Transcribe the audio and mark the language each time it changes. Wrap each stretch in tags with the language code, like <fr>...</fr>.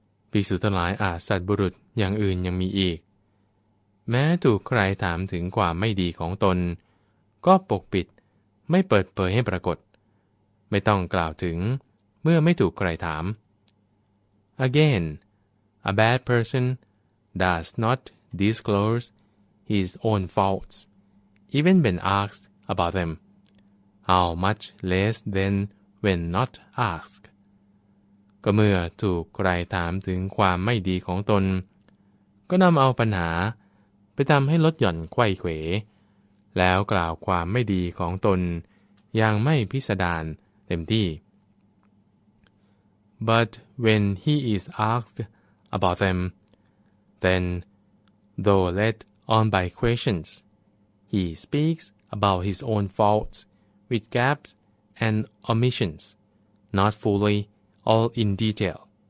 <th>ภิกษุทั้งหลายอสัตบุรุษอย่างอื่นยังมีอีกแม้ถูกใครถามถึงความไม่ดีของตนก็ปกปิดไม่เปิดเผยให้ปรากฏไม่ต้องกล่าวถึงเมื่อไม่ถูกใครถาม</th> <en>Again, A bad person does not disclose his own faults, even when asked about them, how much less than when not asked.</en> <th>ก็เมื่อถูกใครถามถึงความไม่ดีของตนก็นำเอาปัญหาไปทำให้ลดหย่อนไขว้เขว แล้วกล่าวความไม่ดีของตนอย่างไม่พิสดารเต็มที่</th> <en>But when he is asked about them, then, though led on by questions, he speaks about his own faults with gaps and omissions, not fully all in detail.</en>